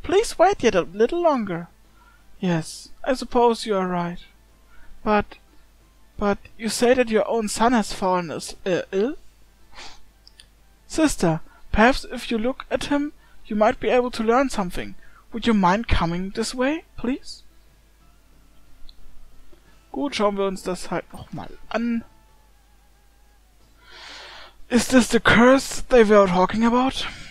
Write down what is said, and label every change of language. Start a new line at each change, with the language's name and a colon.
English: Please wait yet a little longer. Yes, I suppose you are right. But you say that your own son has fallen ill? Sister, perhaps if you look at him, you might be able to learn something. Would you mind coming this way, please?
German: Gut, schauen wir uns das halt noch mal an.
English: Is this the curse they were talking about?